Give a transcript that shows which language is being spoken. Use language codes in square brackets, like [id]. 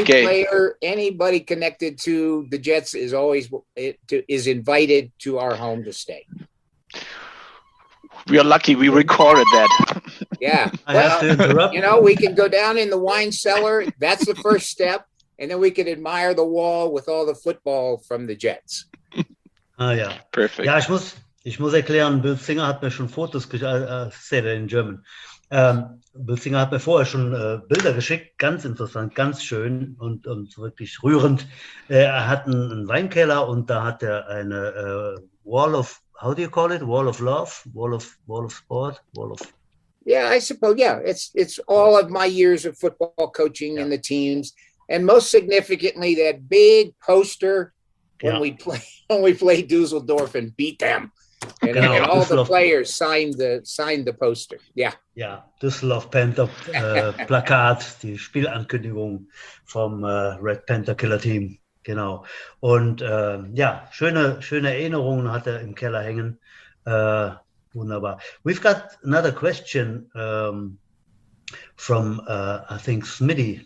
[en] Any player, anybody connected to the Jets is always is invited to our home to stay. We are lucky we recorded that. Yeah. I have to interrupt. You know, we can go down in the wine cellar. That's the first step. And then we can admire the wall with all the football from the Jets. [de] Ah, ja. [en] Perfect. [de] Ja, ich muss erklären, Bill Singer hat mir schon Fotos geschickt. [en] Say that in German. [de] Bill Singer hat mir vorher schon Bilder geschickt. Ganz interessant, ganz schön und wirklich rührend. Er hat einen Weinkeller und da hat er eine [en] Wall of, how do you call it? Wall of love? Wall of sport? Wall of... Yeah, I suppose. Yeah, it's all of my years of football coaching and the teams. And most significantly, that big poster when we play Dusseldorf and beat them. And all Dusseldorf. The players signed the poster. Yeah. [de] Yeah, Dusseldorf Panther Plakat, die Spielankündigung vom Red Panther Killer Team. Genau. Und schöne Erinnerungen hat er im Keller hängen. Wunderbar. [en] We've got another question from, I think, Smitty.